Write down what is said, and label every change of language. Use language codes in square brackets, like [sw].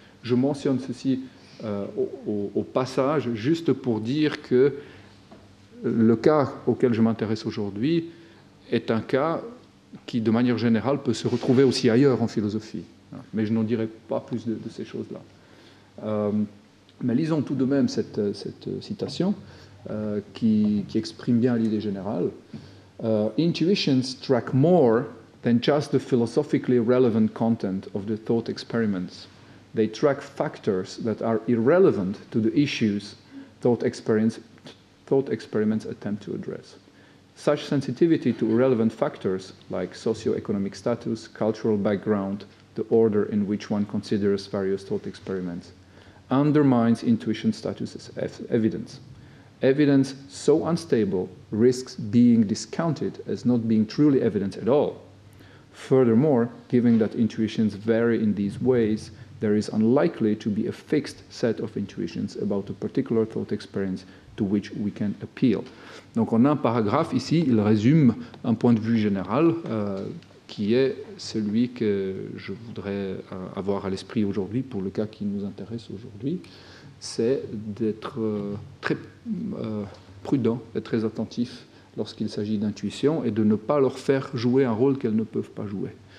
[fr] Je mentionne ceci au passage juste pour dire que le cas auquel je m'intéresse aujourd'hui est un cas qui, de manière générale, peut se retrouver aussi ailleurs en philosophie. Mais je n'en dirai pas plus de ces choses-là. Mais lisons tout de même cette citation qui exprime bien l'idée générale. [en] Intuitions track more than just the philosophically relevant content of the thought experiments. They track factors that are irrelevant to the issues thought experiments attempt to address. Such sensitivity to irrelevant factors like socioeconomic status, cultural background, the order in which one considers various thought experiments, undermines intuition status as evidence. Evidence so unstable risks being discounted as not being truly evidence at all. Furthermore, given that intuitions vary in these ways, there is unlikely to be a fixed set of intuitions about a particular thought experience to which we can appeal. [fr] Donc on a un paragraphe ici, il résume un point de vue général qui est celui que je voudrais avoir à l'esprit aujourd'hui pour le cas qui nous intéresse aujourd'hui, c'est d'être très prudent et très attentif lorsqu'il s'agit d'intuition et de ne pas leur faire jouer un rôle qu'elles ne peuvent pas jouer.